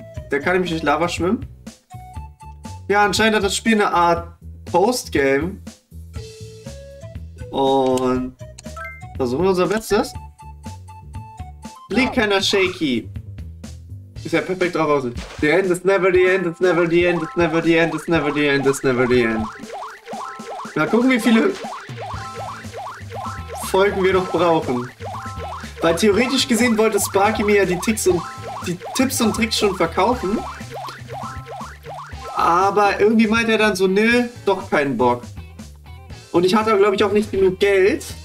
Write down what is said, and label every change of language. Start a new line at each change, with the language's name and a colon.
German: Der kann nämlich durch Lava schwimmen. Ja, anscheinend hat das Spiel eine Art Postgame. Und versuchen wir unser Bestes. Blinkender Shaky. Ist ja perfekt drauf aus.
English: The end is never the end, it's never the end, it's never the end, it's never the end, it's never the end.
German: Mal gucken, wie viele Folgen wir noch brauchen. Weil theoretisch gesehen wollte Sparky mir ja die Tipps und Tricks schon verkaufen. Aber irgendwie meinte er dann so, nö, doch keinen Bock. Und ich hatte, glaube ich, auch nicht genug Geld.